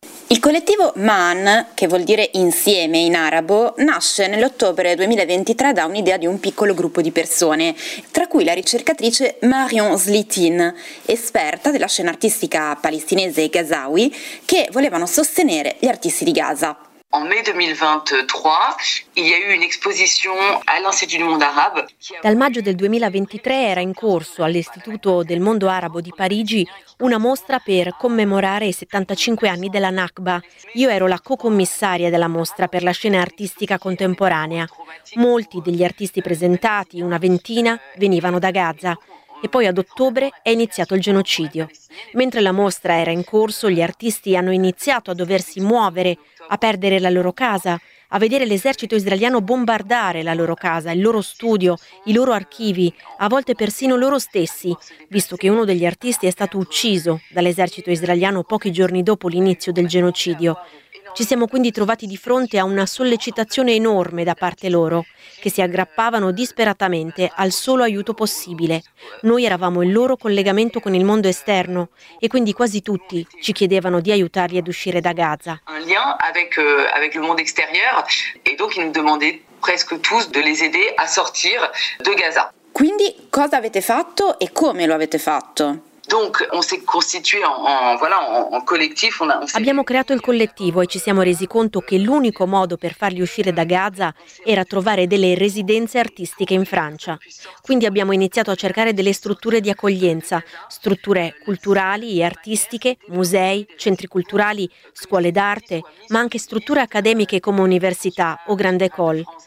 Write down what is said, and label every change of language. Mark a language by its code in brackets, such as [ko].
[it] Il collettivo Man, che vuol dire insieme in arabo, nasce nell'ottobre 2023 da un'idea di un piccolo gruppo di persone, tra cui la ricercatrice Marion Zlitin, esperta della scena artistica palestinese e Gazawi, che volevano sostenere gli artisti di Gaza. [fr] En mai 2023, il y a eu une exposition à l'Institut du Monde Arabe. [it] Dal maggio del 2023 era in corso all'Istituto del Mondo Arabo di Parigi una mostra per commemorare i 75 anni della Nakba. Io ero la co-commissaria della mostra per la scena artistica contemporanea. Molti degli artisti presentati, una ventina, venivano da Gaza. e poi ad ottobre è iniziato il genocidio. Mentre la mostra era in corso, gli artisti hanno iniziato a doversi muovere, a perdere la loro casa, a vedere l'esercito israeliano bombardare la loro casa, il loro studio, i loro archivi, a volte persino loro stessi, visto che uno degli artisti è stato ucciso dall'esercito israeliano pochi giorni dopo l'inizio del genocidio. Ci siamo quindi trovati di fronte a una sollecitazione enorme da parte loro, che si aggrappavano disperatamente al solo aiuto possibile. Noi eravamo il loro collegamento con il mondo esterno e quindi quasi tutti ci chiedevano di aiutarli ad uscire da Gaza. [fr] Un lien avec le monde extérieur e donc ils nous demandaient presque tous de les aider à sortir de Gaza. [it] Quindi cosa avete fatto e come lo avete fatto? [fr] Donc, on s'est constitué en collectif. [it] Abbiamo creato il collettivo e ci siamo resi conto che l'unico modo per farli uscire da Gaza era trovare delle residenze artistiche in Francia. Quindi abbiamo iniziato a cercare delle strutture di accoglienza, strutture culturali e artistiche, musei, centri culturali, scuole d'arte, ma anche strutture accademiche come università o grande école.